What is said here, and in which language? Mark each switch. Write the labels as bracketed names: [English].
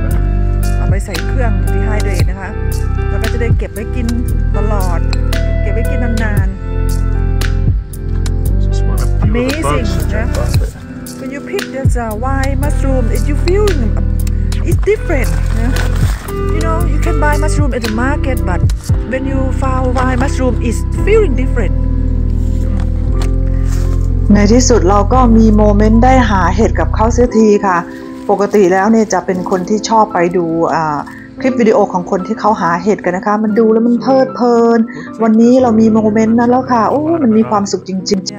[English] them. [Thai] เอาไปใส่เครื่อง dehydrate นะคะแล้วก็จะได้เก็บไว้กินตลอดเก็บไว้กินนาน ๆ [English] Amazing, yeah. When you pick this white mushroom, if you feel it's different, yeah. You know, you can buy mushroom at the market, but when you found white mushroom, it's feeling different. [Thai] ในที่สุดเราก็มีโมเมนต์ได้หาเห็ดกับเขาเสียทีค่ะปกติแล้วเนี่ยจะเป็นคนที่ชอบไปดูคลิปวิดีโอของคนที่เขาหาเห็ดกันนะคะมันดูแล้วมันเพลิดเพลินวันนี้เรามีโมเมนต์นั้นแล้วค่ะโอ้มันมีความสุขจริงจริง